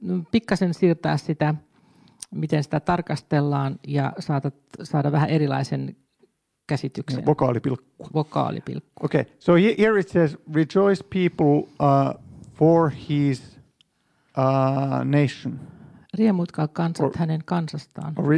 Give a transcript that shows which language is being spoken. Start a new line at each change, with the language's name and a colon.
Finnish: Pikkasen siirtää sitä, miten sitä tarkastellaan, ja saada vähän erilaisen käsityksen. Vokaalipilkku.
English: Okay, so here it says, rejoice people for his nation.
Finnish: Riemuitkaa kansat or, hänen kansastaan.